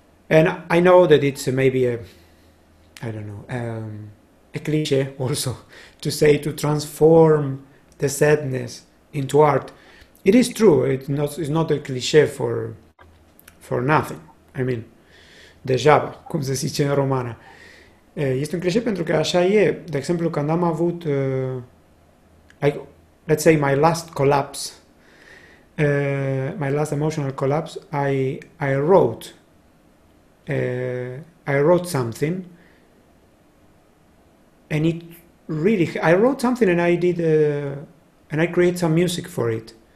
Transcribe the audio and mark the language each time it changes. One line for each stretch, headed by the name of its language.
English: And I know that it's maybe a cliche also to say to transform the sadness into art. It is true, it's not a cliche for nothing. I mean,
Romanian: deja, cum se zice în română. Este un cliche pentru că așa e. De exemplu, când am avut,
English: let's say, my last collapse, my last emotional collapse, I wrote something, and it really, I wrote something and I did, and I created some music for it.